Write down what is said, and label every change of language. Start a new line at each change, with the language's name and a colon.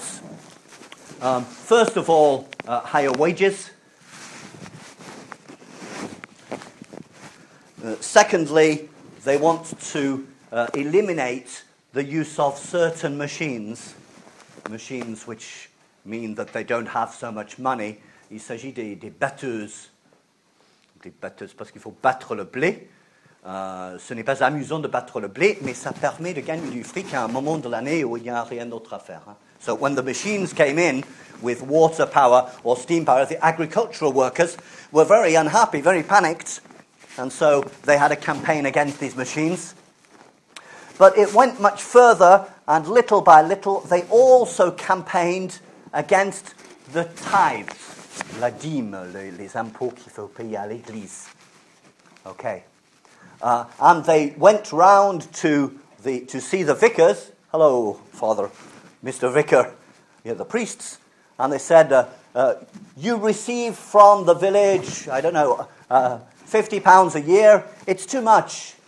English: First of all, higher wages. Secondly, they want to eliminate the use of certain machines which mean that they don't have so much money.
French: Il s'agit des batteuses, parce qu'il faut battre le blé. Ce n'est pas amusant de battre le blé, mais ça permet de gagner du fric à un moment de l'année où il n'y a rien d'autre à faire. Hein.
English: So when the machines came in with water power or steam power, the agricultural workers were very unhappy, very panicked, and so they had a campaign against these machines. But it went much further, and little by little, they also campaigned against the tithes.
French: La dîme, les impôts qu'il faut payer à l'église.
English: Okay. And they went round to see the vicars. Hello, Father, Mr. Vicar, yeah, the priests. And they said, you receive from the village, I don't know, £50 a year. It's too much.